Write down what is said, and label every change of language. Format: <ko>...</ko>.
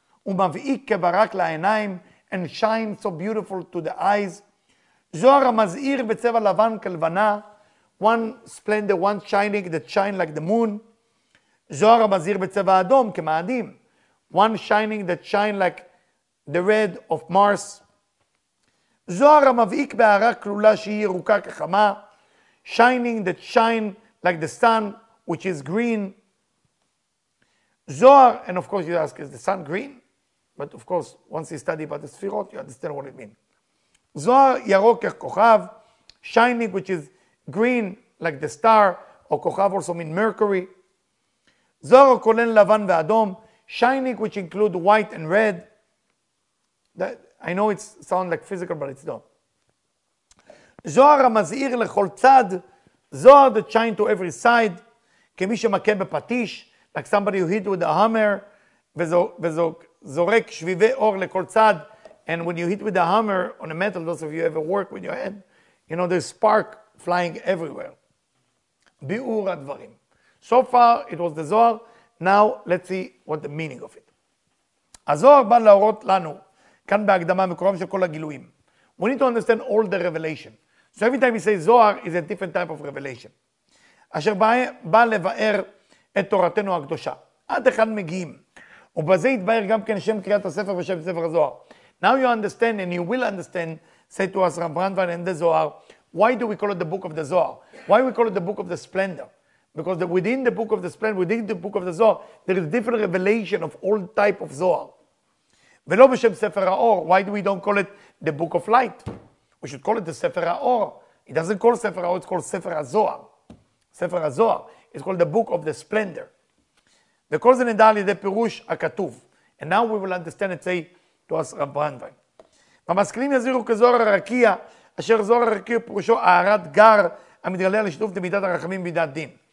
<he>Umavi'ik Kebarak La'enayim.</he> <en>And shine so beautiful to the eyes.</en> <he>Zohar Mazir Betzeva Lavan Kelvana.</he> <en>One splendor, one shining that shine like the moon.</en> <he>Zohar Mazir Betzeva Adom Kema'adim.</he> <en>One shining that shine like the red of Mars.</en> <he>Zohar המבעיק בערה כלולה שהיא ירוקה כחמה.</he> <en>Shining that shine like the sun, which is green. Zohar, and of course you ask, is the sun green? But of course, once you study about the Sefirot, you understand what it means.</en> <he>Zohar ירוק ככוכב.</he> <en>Shining which is green like the star, or כוכב also means Mercury.</en> <he>Zohar כולל לבן ואדום.</he> <en>Shining, which include white and red. That, I know it sounds like physical, but it's not.</en> <he>Zohar המזהיר לכל צד.</he> <en>Zohar that shine to every side.</en> <he>כמי שמכה בפטיש.</he> <en>Like somebody who hit with a hammer.</en> <he>וזורק שביבי אור לכל צד.</he> <en>And when you hit with a hammer on a metal, those of you ever work with your head, you know, there's spark flying everywhere.</en> <he>ביאור הדברים.</he> <en>So far, it was the Zohar. Now, let's see what the meaning of it.</en> <he>הזוהר בא להורות לנו, כאן בהקדמה, מקורם של כל הגילויים.</he> <en>We need to understand all the revelation. So every time we say זוהר, is a different type of revelation.</en> <he>אשר בא לבאר את תורתנו הקדושה. עד אחד מגיעים. ובזה יתבאר גם כן שם קריאת הספר ושם ספר הזוהר.</he> <en>Now you understand and you will understand, say to us, Rav Brandwein and the Zohar, why do we call it the book of the Zohar? Why we call it the book of the splendor? Because within the book of the splendor, within the book of the Zohar, there is different revelation of all type of Zohar.</en> <he>ולא בשם ספר האור.</he> <en>Why do we don't call it the book of light? We should call it the ספר האור. It doesn't call ספר האור, it's called ספר הזוהר. ספר הזוהר. It's called the book of the splendor.</en> <he>וכל זה נדע על ידי פירוש הכתוב.</he> <en>And now we will understand it, say, to us, Rav Brandwein.</en> <he>והמשכילים יזהירו כזוהר הרקיע, אשר זוהר הרקיע פירושו הארת גר, המתגלה לשיתוף דמידת הרחמים בידת דין.</he>